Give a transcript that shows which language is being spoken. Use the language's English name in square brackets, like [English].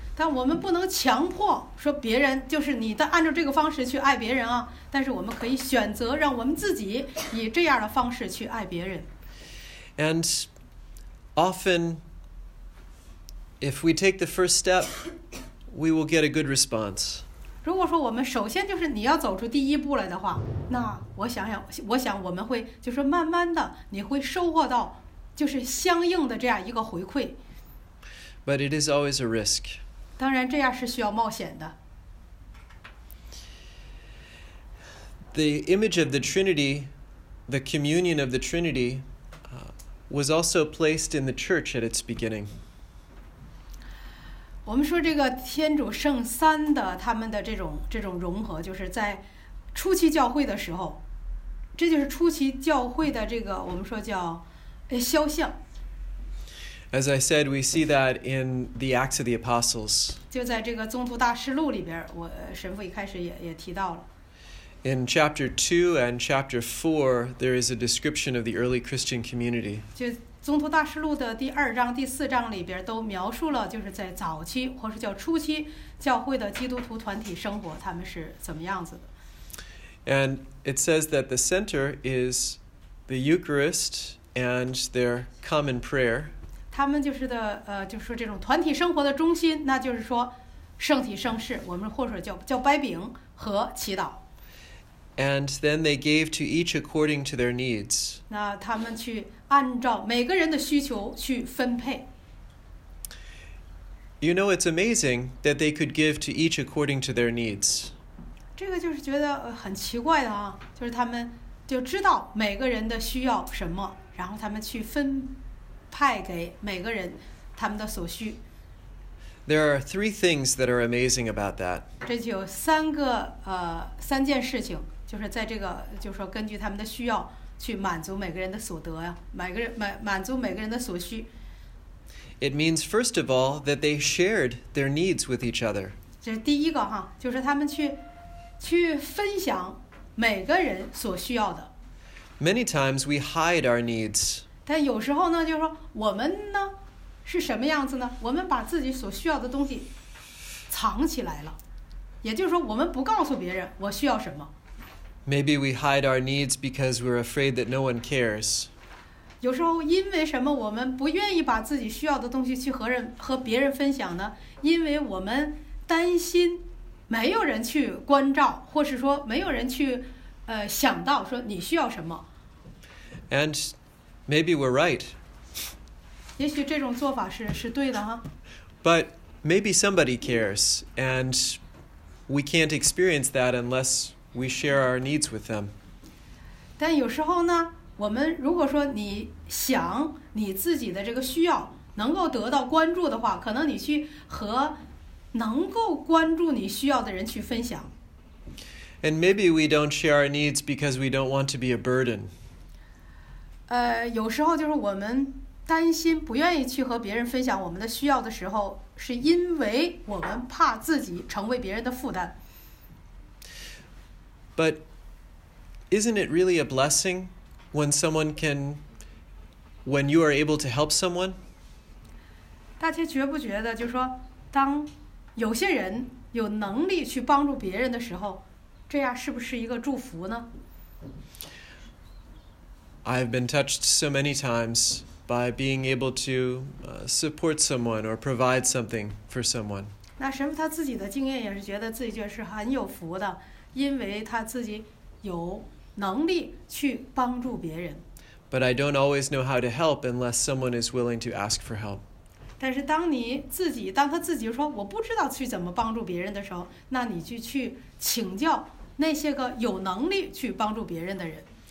[Chinese] 但我们不能强迫说别人就是你的按照这个方式去爱别人啊，但是我们可以选择让我们自己以这样的方式去爱别人。 [English] And often,If we take the first step, we will get a good response. [Chinese] 如果说我们首先就是你要走出第一步来的话，那我想我们会就是慢慢的你会收获到就是相应的这样一个回馈。 [English] But it is always a risk. [Chinese] 当然这样是需要冒险的。 [English] The image of the Trinity, the communion of the Trinity, was also placed in the church at its beginning. [Chinese] 我们说这个天主圣三的他们的这种融合，就是在初期教会的时候，这就是初期教会的这个我们说叫肖像。 [English] As I said, we see that in the Acts of the Apostles. [Chinese] 就在这个宗徒大事录里边，我神父一开始也提到了。 [English] In chapter 2 and chapter 4, there is a description of the early Christian community. [Chinese] 就宗徒大事录的第二章、第四章里边都描述了，就是在早期或是叫初期教会的基督徒团体生活，他们是怎么样子的。 [English] And it says that the center is the Eucharist and their common prayer. [Chinese] 他们就是的，就是说这种团体生活的中心，那就是说圣体圣事，我们或者叫掰饼和祈祷。 [English] And then they gave to each according to their needs. [Chinese] 那他们去按照每个人的需求去分配。 [English] You know, it's amazing that they could give to each according to their needs. [Chinese] 这个就是觉得很奇怪的啊，就是他们就知道每个人的需要什么，然后他们去分派给每个人他们的所需。 [English] There are three things that are amazing about that. [Chinese] 这就有三件事情。就是在这个，就是说根据他们的需要去满足每个人的所得呀，满足每个人的所需。 [English] It means first of all that they shared their needs with each other. [Chinese] 这是第一个哈，就是他们去分享每个人所需要的。 [English] Many times we hide our needs. [Chinese] 但有时候呢，就是说我们呢是什么样子呢？我们把自己所需要的东西藏起来了，也就是说我们不告诉别人我需要什么。 [English] Maybe we hide our needs because we're afraid that no one cares. [Chinese] 有时候因为什么我们不愿意把自己需要的东西去和别人分享呢？因为我们担心没有人去关照，或是说没有人去想到说你需要什么。 [English] And maybe we're right. [Chinese] 也许这种做法 是对的哈。 [English] But maybe somebody cares, and we can't experience that unless we share our needs with them. [Chinese] 但有时候呢，我们如果说你想你自己的这个需要能够得到关注的话，可能你去和能够关注你需要的人去分享。 [English] And maybe we don't share our needs because we don't want to be a burden. [Chinese] 有时候就是我们担心不愿意去和别人分享我们的需要的时候，是因为我们怕自己成为别人的负担。 [English] But isn't it really a blessing when someone can, when you are able to help someone? [Chinese] 大家觉不觉得，就是说，当有些人有能力去帮助别人的时候，这样是不是一个祝福呢？ [English] I've been touched so many times by being able to support someone or provide something for someone. [Chinese] 那神父他自己的经验也是觉得自己就是很有福的，因为他自己有能力去帮助别人。 [English] But I don't always know how to help unless someone is willing to ask for help. [Chinese] 但是当你自己，当他自己说我不知道去怎么帮助别人的时候，那你就去请教那些个有能力去帮助别人的人。